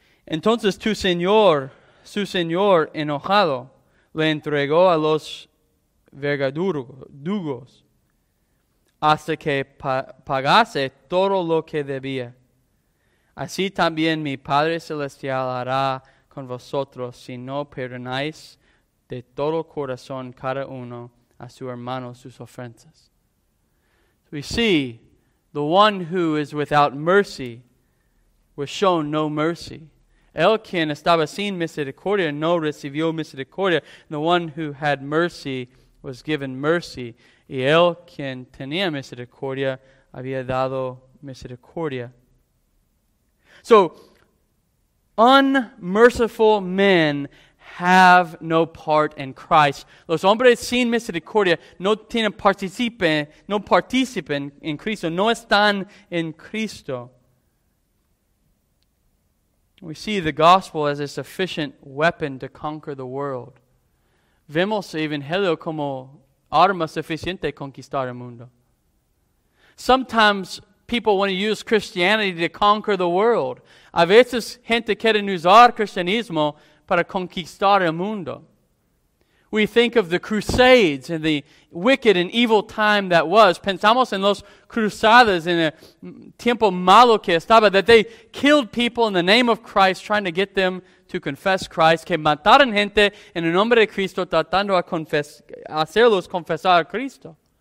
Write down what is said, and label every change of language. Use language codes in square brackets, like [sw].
[es] Entonces su señor enojado le entregó a los verdugos hasta que pagase todo lo que debía. Así también mi Padre Celestial hará con vosotros si no perdonáis de todo corazón cada uno a su hermano sus ofensas. [en] We see the one who is without mercy was shown no mercy. [es] El quien estaba sin misericordia no recibió misericordia. [en] The one who had mercy was given mercy. [es] Y el quien tenía misericordia había dado misericordia. [en] So, unmerciful men have no part in Christ. [es] Los hombres sin misericordia no tienen participen en Cristo. No están en Cristo. [en] We see the gospel as a sufficient weapon to conquer the world. [es] Vemos el evangelio como arma suficiente conquistar el mundo. [en] Sometimes people want to use Christianity to conquer the world. [es] A veces gente quiere usar cristianismo para conquistar el mundo. [en] We think of the Crusades and the wicked and evil time that was. [es] Pensamos en los cruzadas en el tiempo malo que estaba, [en] that they killed people in the name of Christ, trying to get them to confess Christ, [es] que mataron gente en el nombre de Cristo, tratando a hacerlos confesar a Cristo.